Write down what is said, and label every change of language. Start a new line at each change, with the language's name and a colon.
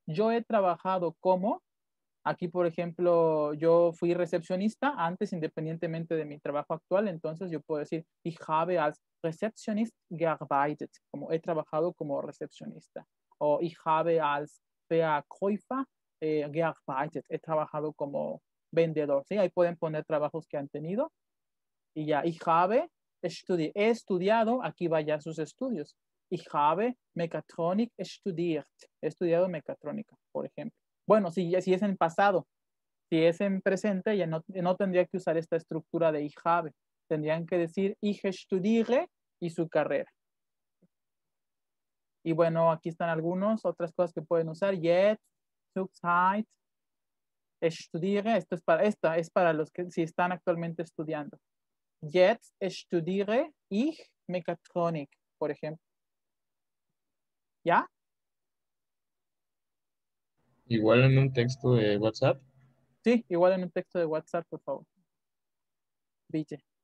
Spanish: Yo he trabajado como, aquí por ejemplo, yo fui recepcionista antes independientemente de mi trabajo actual, entonces yo puedo decir,
German: ich habe als Rezeptionist gearbeitet,
Spanish: como he trabajado como recepcionista, o
German: ich habe als Verkäufer gearbeitet,
Spanish: he trabajado como vendedor, ¿sí? Ahí pueden poner trabajos que han tenido, y ya,
German: ich habe studiert,
Spanish: he estudiado, aquí vaya sus estudios.
German: Ich habe Mechatronik studiert.
Spanish: He estudiado mecatrónica, por ejemplo. Bueno, si es en pasado, si es en presente, ya no tendría que usar esta estructura de
German: ich habe.
Spanish: Tendrían que decir
German: ich studiere
Spanish: y su carrera. Y bueno, aquí están algunas otras cosas que pueden usar.
German: Jetzt, zurzeit, studiere.
Spanish: Esto es para esta, es para los que si están actualmente estudiando.
German: Jetzt studiere ich Mechatronik,
Spanish: por ejemplo. ¿Ya? ¿Igual en un texto de WhatsApp? Sí, igual en un texto de WhatsApp, por favor.
German: Bitte.